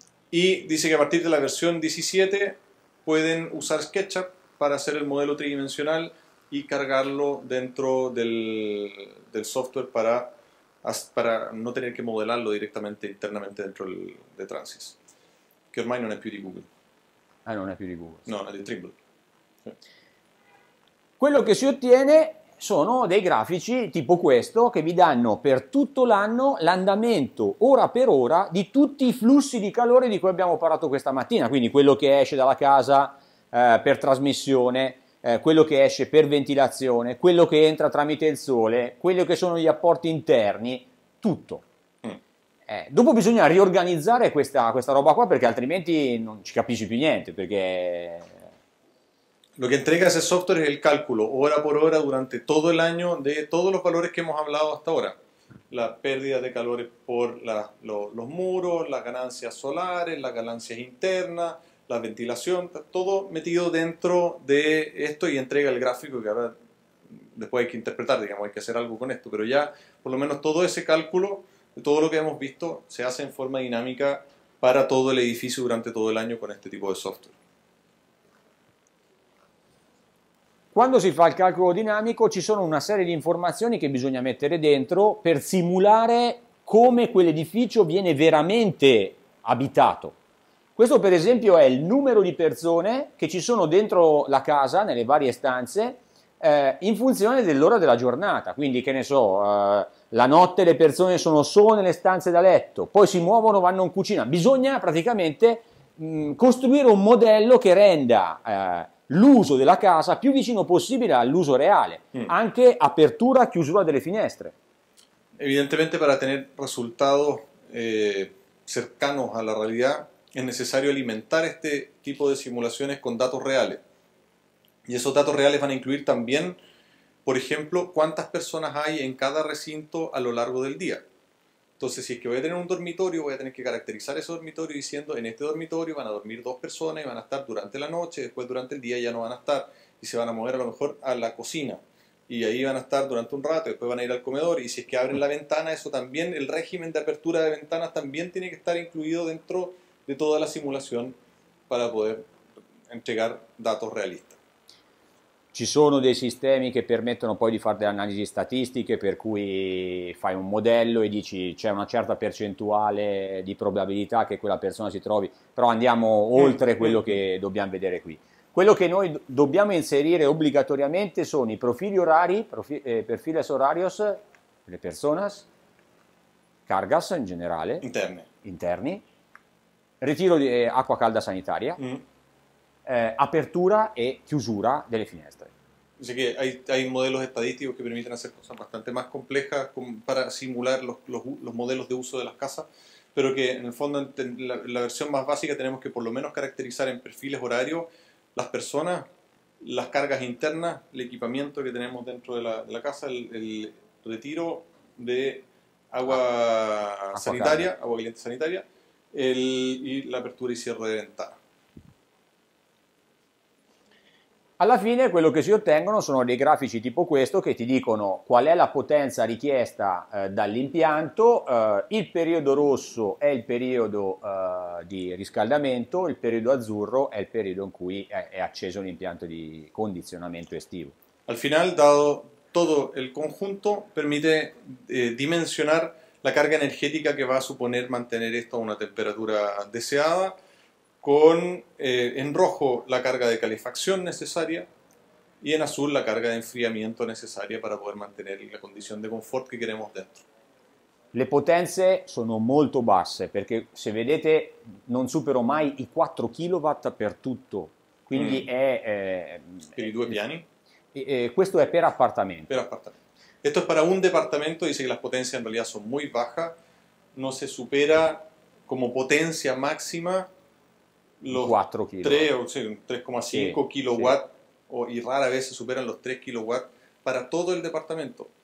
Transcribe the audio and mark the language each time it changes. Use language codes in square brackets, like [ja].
[es] Y dice que a partir de la versión 17 pueden usar SketchUp para hacer el modelo tridimensional y cargarlo dentro del software para [it] Para non tener che modellarlo direttamente internamente dentro il de Transys, che ormai non è più di Google. Ah, non è più di Google. No, è di Trimble. Quello che si ottiene sono dei grafici tipo questo che vi danno per tutto l'anno l'andamento ora per ora di tutti i flussi di calore di cui abbiamo parlato questa mattina, quindi quello che esce dalla casa per trasmissione, quello che esce per ventilazione, quello che entra tramite il sole, quello che sono gli apporti interni, tutto. Dopo bisogna riorganizzare questa roba qua, perché altrimenti non ci capisci più niente, perché... [es] Lo que entrega ese software es el cálculo hora por hora durante todo el año de todos los valores que hemos hablado hasta ahora. La pérdida de calor por los muros, las ganancias solares, las ganancias internas, la ventilación, todo metido dentro de esto y entrega el gráfico que ahora después hay que interpretar, digamos, hay que hacer algo con esto. Pero ya por lo menos todo ese cálculo, todo lo que hemos visto, se hace en forma dinámica para todo el edificio durante todo el año con este tipo de software. [it] Quando si fa il calcolo dinamico ci sono una serie di informazioni che bisogna mettere dentro per simulare come quell'edificio viene veramente abitato. Questo per esempio è il numero di persone che ci sono dentro la casa, nelle varie stanze, in funzione dell'ora della giornata. Quindi che ne so, la notte le persone sono solo nelle stanze da letto, poi si muovono, vanno in cucina. Bisogna praticamente costruire un modello che renda... l'uso della casa più vicino possibile all'uso reale, anche apertura, chiusura delle finestre. [es] Evidentemente, para tener resultados cercanos a la realidad, es necesario alimentar este tipo de simulaciones con datos reales. Y esos datos reales van a incluir también, por ejemplo, cuántas personas hay en cada recinto a lo largo del día. Entonces, si es que voy a tener un dormitorio, voy a tener que caracterizar ese dormitorio diciendo en este dormitorio van a dormir dos personas y van a estar durante la noche, después durante el día ya no van a estar y se van a mover a lo mejor a la cocina y ahí van a estar durante un rato y después van a ir al comedor. Y si es que abren la ventana, eso también, el régimen de apertura de ventanas también tiene que estar incluido dentro de toda la simulación para poder entregar datos realistas. [it] Ci sono dei sistemi che permettono poi di fare delle analisi statistiche, per cui fai un modello e dici c'è una certa percentuale di probabilità che quella persona si trovi, però andiamo oltre quello che dobbiamo vedere qui. Quello che noi dobbiamo inserire obbligatoriamente sono i profili orari, [es] perfiles horarios, le personas, cargas [it] in generale, interni, ritiro di acqua calda sanitaria, apertura e chiusura delle finestre. [es] Así que hay modelos estadísticos que permiten hacer cosas bastante más complejas para simular los modelos de uso de las casas, pero que en el fondo en la versión más básica tenemos que por lo menos caracterizar en perfiles horarios las personas, las cargas internas, el equipamiento que tenemos dentro de la casa, el retiro de agua sanitaria, agua caliente sanitaria, y la apertura y cierre de ventana. [it] Alla fine quello che si ottengono sono dei grafici tipo questo che ti dicono qual è la potenza richiesta dall'impianto, il periodo rosso è il periodo di riscaldamento, il periodo azzurro è il periodo in cui è acceso l'impianto di condizionamento estivo. [es] Al final, [it] dato tutto il conjunto, permette dimensionare la carga energetica che va a [es] supponer [it] mantenere questo a una temperatura deseata. [es] Con en rojo la carga de calefacción necesaria y en azul la carga de enfriamiento necesaria para poder mantener la condición de confort que queremos dentro. [it] Le potenze sono molto basse, perché se vedete non supero mai i 4 kW per tutto, quindi è... Per i due piani? Questo è per appartamento. Per appartamento. [es] Esto es para un departamento, dice que las potencias en realidad son muy bajas, no se supera como potencia máxima los 4 3,5 kW, y rara vez se superan los 3 kW para todo el departamento.